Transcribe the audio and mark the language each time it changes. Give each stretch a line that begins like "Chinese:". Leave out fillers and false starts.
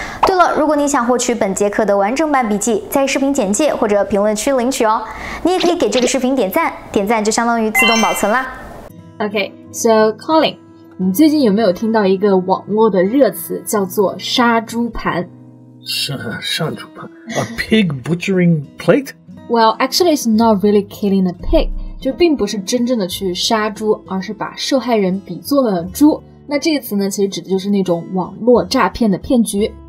Chinese: 对了，如果你想获取本节课的完整版笔记，在视频简介或者评论区领取哦。你也可以给这个视频点赞，点赞就相当于自动保存啦。
English: Okay, so
Chinese: Colin, 你最近有没有听到一个网络的热词叫做杀猪盘？
English: A pig butchering plate? Well, actually, it's not really killing a pig.
Chinese: 就并不是真正的去杀猪，而是把受害人比作了猪。那这个词呢，其实指的就是那种网络诈骗的骗局。